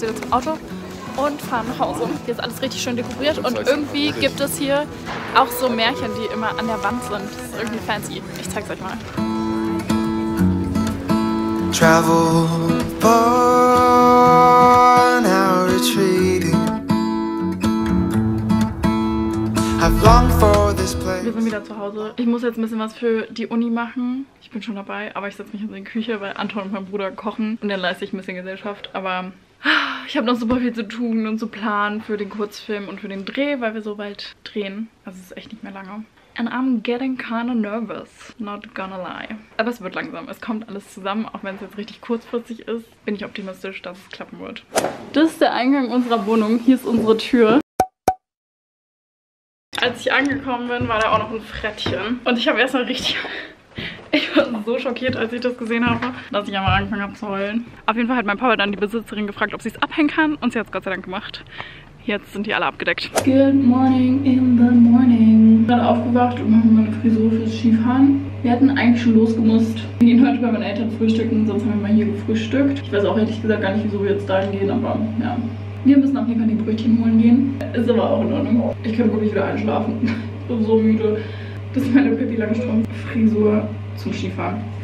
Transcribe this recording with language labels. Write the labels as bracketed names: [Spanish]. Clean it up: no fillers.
[German] Auto und fahren nach Hause. Hier ist alles richtig schön dekoriert und irgendwie gibt es hier auch so Märchen, die immer an der Wand sind. Das ist irgendwie fancy. Ich zeig's euch mal. [English] Travel born out retreating. I've longed for this place. [German] Wir sind wieder zu Hause. Ich muss jetzt ein bisschen was für die Uni machen. Ich bin schon dabei, aber ich setze mich in die Küche, weil Anton und mein Bruder kochen und dann leiste ich ein bisschen Gesellschaft, aber ich habe noch super viel zu tun und zu planen für den Kurzfilm und für den Dreh, weil wir so bald drehen. Also es ist echt nicht mehr lange. [English] And I'm getting kind of nervous, not gonna lie. [German] Aber es wird langsam, es kommt alles zusammen, auch wenn es jetzt richtig kurzfristig ist, bin ich optimistisch, dass es klappen wird. Das ist der Eingang unserer Wohnung, hier ist unsere Tür. Als ich angekommen bin, war da auch noch ein Frettchen. Und ich habe erstmal richtig... Ich war so schockiert, als ich das gesehen habe, dass ich einmal angefangen habe zu heulen. Auf jeden Fall hat mein Papa dann die Besitzerin gefragt, ob sie es abhängen kann. Und sie hat es Gott sei Dank gemacht. Jetzt sind die alle abgedeckt. [English] Good morning in the morning. [German] Ich bin aufgewacht und mache meine Frisur fürs Skifahren. Wir hatten eigentlich schon losgemusst. Wir gehen heute bei meinen Eltern frühstücken, sonst haben wir mal hier gefrühstückt. Ich weiß auch ehrlich gesagt gar nicht, wieso wir jetzt dahin gehen, aber ja. Wir müssen auf jeden Fall die Brötchen holen gehen. Ist aber auch in Ordnung. Ich kann wirklich wieder einschlafen. Ich bin so müde. Das ist meine Pippi Langstrumpf-Frisur zum Skifahren.